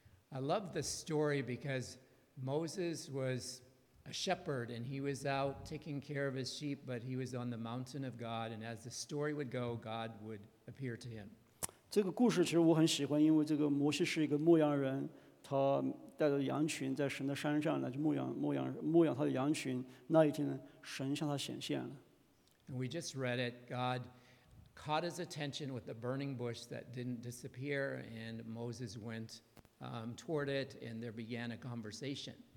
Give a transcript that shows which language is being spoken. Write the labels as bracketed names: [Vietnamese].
[English] I love this story because Moses was a shepherd and he was out taking care of his sheep, but he was on the mountain of God, and as the story would go, God would appear to him. [Chinese] 这个故事其实我很喜欢，因为这个摩西是一个牧羊人。他带着羊群在神的山上来，牧养他的羊群。那一天呢，神向他显现了。 [English] We just read it. God caught his attention with the burning bush that didn't disappear, and Moses went toward it, and there began a conversation.